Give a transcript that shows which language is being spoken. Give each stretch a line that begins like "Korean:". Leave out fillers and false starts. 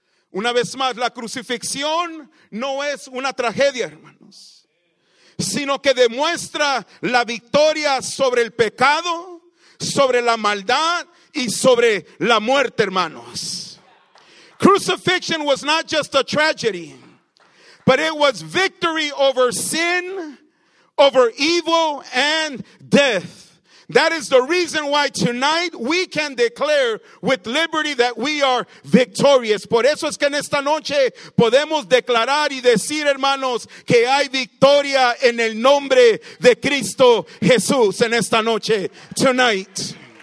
Spanish: Una vez más, la crucifixión no es una tragedia, hermanos. Sino que demuestra la victoria sobre el pecado, sobre la maldad y sobre la muerte, hermanos.
English: Crucifixion was not just a tragedy, but it was victory over sin, over evil and death. That is the reason why tonight we can declare with liberty that we are victorious.
Spanish: Por eso es que en esta noche podemos declarar y decir, hermanos, que hay victoria en el nombre de Cristo Jesús en esta noche,
English: tonight.